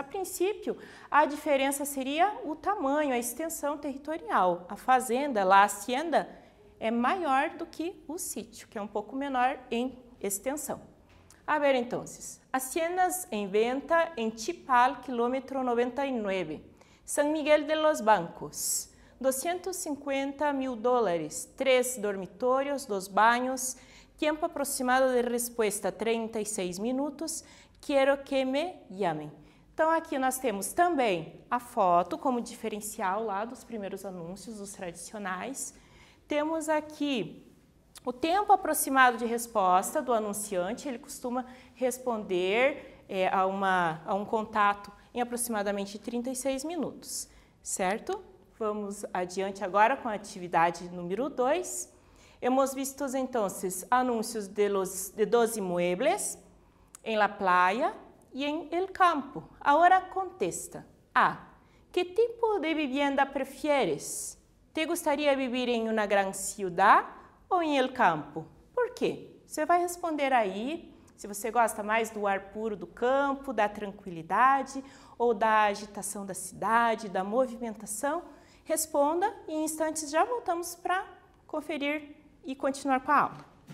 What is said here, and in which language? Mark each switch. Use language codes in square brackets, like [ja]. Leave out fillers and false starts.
[pt] A princípio, a diferença seria o tamanho, a extensão territorial. A fazenda, lá, a hacienda, é maior do que o sítio, que é um pouco menor em extensão. [es] A ver, então, haciendas em venta em Chipal, quilômetro 99, San Miguel de los Bancos. 250 mil dólares, 3 dormitórios, 2 baños, tiempo aproximado de respuesta 36 minutos, quiero que me llamen. [pt] Então aqui nós temos também a foto como diferencial lá dos primeiros anúncios, dos tradicionais. Temos aqui o tempo aproximado de resposta do anunciante, ele costuma responder a um contato em aproximadamente 36 minutos, certo? Vamos adiante agora com a atividade número 2. [es] Hemos visto, então, anúncios de 12 muebles em la playa e em el campo. [pt] Agora, contesta. A. [es] Que tipo de vivienda prefieres? Te gustaría vivir em una gran ciudad ou em el campo? [pt] Por quê? Você vai responder aí se você gosta mais do ar puro do campo, da tranquilidade ou da agitação da cidade, da movimentação. Responda e em instantes já voltamos para conferir e continuar com a aula.